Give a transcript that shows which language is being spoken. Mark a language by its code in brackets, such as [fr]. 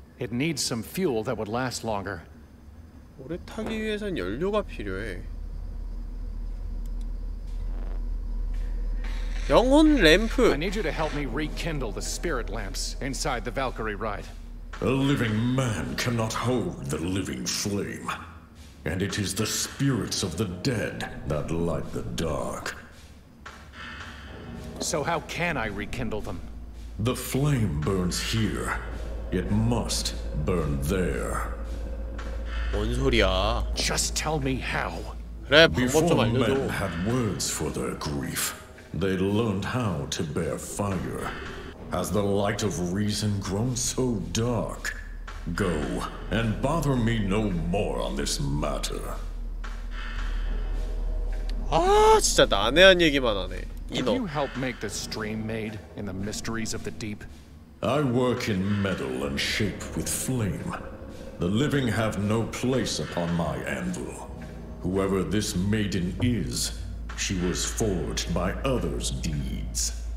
[en] It needs some fuel that would last longer. [ko] 오래 타기 위해선 연료가 필요해. 영혼 램프. [en] I need you to help me rekindle the spirit lamps inside the Valkyrie ride. A living man cannot hold the living flame. And it is the spirits of the dead that light the dark. So how can I rekindle them? The flame burns here. It must burn there. [ko] 뭔 소리야? [en] Just tell me how. [ko] 그래, 방법 좀 알려줘. [en] Before men had words for their grief, they learned how to bear fire. Has the light of reason grown so dark? Go and bother me no more on this matter. [ko] 아, 진짜 난해한 얘기만 하네. 이놈. [en] Can you help make the stream made in the mysteries of the deep? I work in metal and shape with flame. The living have no place upon my anvil. Whoever this maiden is, she was forged by others' deeds.